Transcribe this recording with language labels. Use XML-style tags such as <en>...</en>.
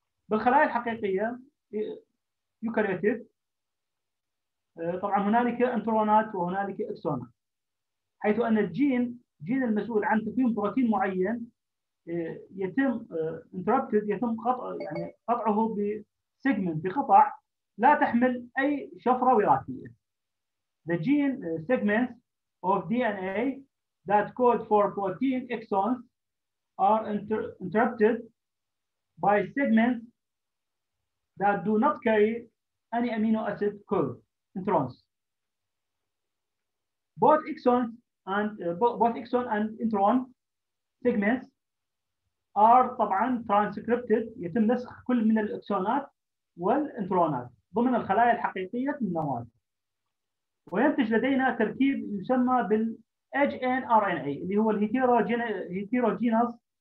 <ar>بالخلايا الحقيقية يوكاريوتيف طبعا هنالك انترونات وهنالك اكسونات حيث ان الجين المسؤول عن تكوين بروتين معين يتم قطع يعني قطعه بسيجمنت بقطع لا تحمل اي شفرة وراثية.</ar> <en>The gene segments of DNA that code for protein exons are interrupted by segments that do not carry any amino acid code introns. Both exon and intron segments are</en> <ar>طبعا transcripted يتم نسخ كل من الاكسونات والانترونات ضمن الخلايا الحقيقية النواة وينتج لدينا تركيب يسمى بال hnRNA اللي هو الهيتيروجينوس</ar>